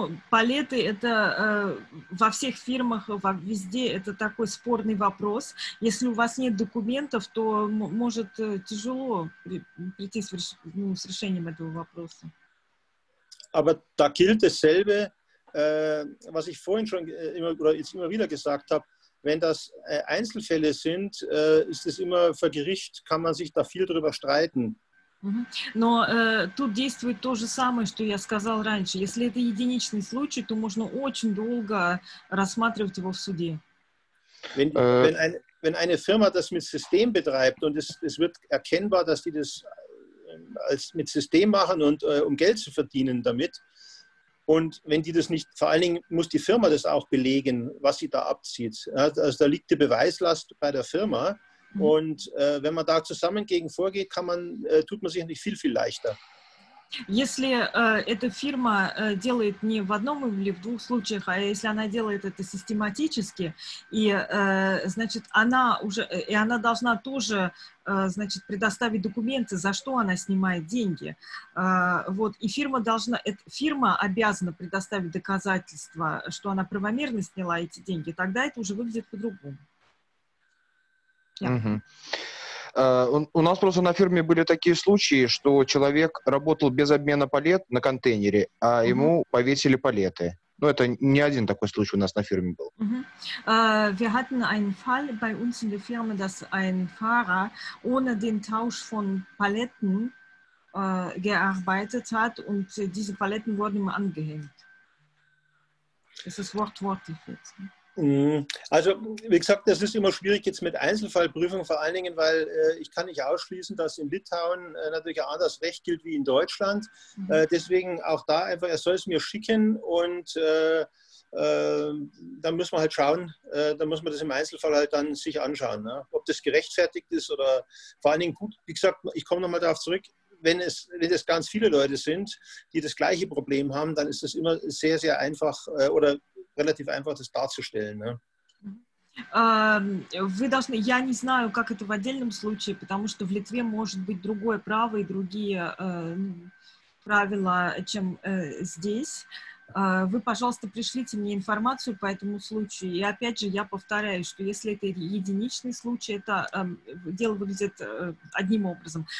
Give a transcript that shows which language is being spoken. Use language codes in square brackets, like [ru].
[ru] Палеты – это во всех фирмах, везде это такой спорный вопрос. Если у вас нет документов, то может тяжело прийти с решением этого вопроса. [de] Aber da gilt dasselbe, was ich vorhin schon immer wieder gesagt habe. Wenn das Einzelfälle sind, ist es immer vor Gericht, kann man sich da viel drüber streiten. [ru] Но тут действует то же самое, что я сказал раньше. Если это единичный случай, то можно очень долго рассматривать его в суде. [de] Wenn eine Firma das mit System betreibt und es wird erkennbar, dass die das als mit System machen und um Geld zu verdienen damit, und wenn die das nicht, vor allen Dingen muss die Firma das auch belegen, was sie da abzieht. Also da liegt die Beweislast bei der Firma. Und wenn man da zusammen gegen vorgeht, tut man sich nicht viel, viel leichter. [ru] Если эта фирма делает не в одном или в двух случаях, а если она делает это систематически, и значит, она уже, и она должна тоже, значит, предоставить документы, за что она снимает деньги. Вот, и фирма обязана предоставить доказательства, что она правомерно сняла эти деньги, тогда это уже выглядит по-другому. Yeah. У нас просто на фирме были такие случаи, что человек работал без обмена палет на контейнере, а mm-hmm. ему повесили палеты. Ну, это не один такой случай у нас на фирме был. Mm-hmm. [de] Wir hatten einen Fall bei uns in der Firma, dass ein Fahrer ohne den Tausch von Paletten gearbeitet hat und diese Paletten wurden ihm angehängt. Es ist wortwörtlich jetzt. Also, wie gesagt, das ist immer schwierig jetzt mit Einzelfallprüfungen, vor allen Dingen, weil ich kann nicht ausschließen, dass in Litauen natürlich ein anderes Recht gilt wie in Deutschland. Mhm. Deswegen auch da einfach, er soll es mir schicken und dann muss man halt schauen, dann muss man das im Einzelfall halt dann sich anschauen, ne? Ob das gerechtfertigt ist oder vor allen Dingen gut. Wie gesagt, ich komme nochmal darauf zurück, wenn es ganz viele Leute sind, die das gleiche Problem haben, dann ist das immer sehr, sehr einfach oder relativ einfach das darzustellen. Ne? [ru] Вы должны, я не знаю, как это в отдельном случае, потому что в Литве может быть другое право и другие правила, чем здесь. Вы, пожалуйста, пришлите мне информацию по этому случаю. И опять же, я повторяю, что если это единичный случай, это дело выглядит одним образом.